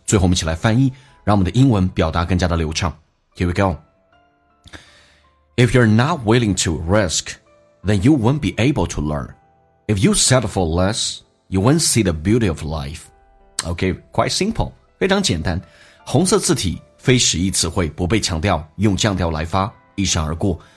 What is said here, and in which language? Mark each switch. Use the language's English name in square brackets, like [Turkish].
[Chinese] 最后我们一起来翻译，让我们的英文表达更加的流畅。 [English] Here we go. If you're not willing to risk, then you won't be able to learn. If you settle for less, you won't see the beauty of life. Okay, quite simple， [Chinese] 非常简单。红色字体。非实义词汇不被强调，用降调来发，一闪而过。